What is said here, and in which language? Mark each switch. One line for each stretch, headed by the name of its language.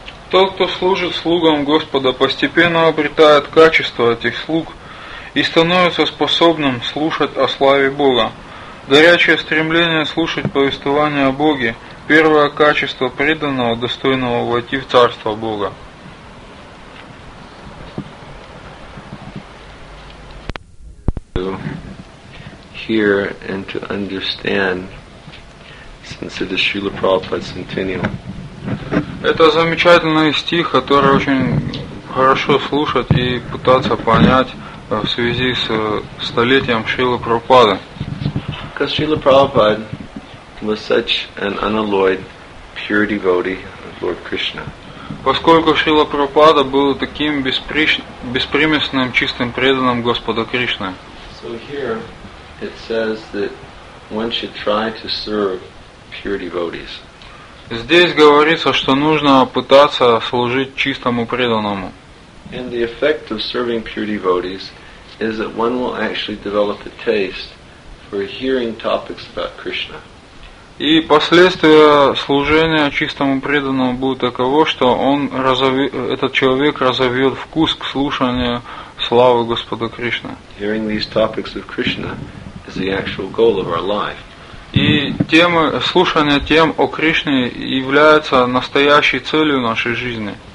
Russian: Тот, кто служит слугам Господа, постепенно обретает качество этих слуг и становится способным слушать о славе Бога. Горячее стремление слушать повествование о Боге – первое качество преданного, достойного войти в Царство Бога.
English: To hear and to understand, since it is Srila Prabhupada's centennial.
Russian: Это замечательный стих, который очень хорошо слушать и пытаться понять в связи с столетием Шрилы Прабхупады.
English: Because Srila Prabhupada was such an unalloyed pure devotee of Lord Krishna.
Russian: Поскольку Шрила Прабхупада был таким беспримесным, чистым преданным Господа Кришны.
English: So here it says that one should try to serve pure devotees.
Russian: Здесь говорится, что нужно пытаться служить чистому преданному.
English: And the effect of serving pure devotees is that one will actually develop a taste for hearing topics about Krishna.
Russian: И последствия служения чистому преданному будут таково, что он этот человек разовьет вкус к слушанию славы Господа Кришны.
English: Hearing these topics of Krishna is the actual goal of our life.
Russian: И темы, слушание тем о Кришне является настоящей целью нашей жизни.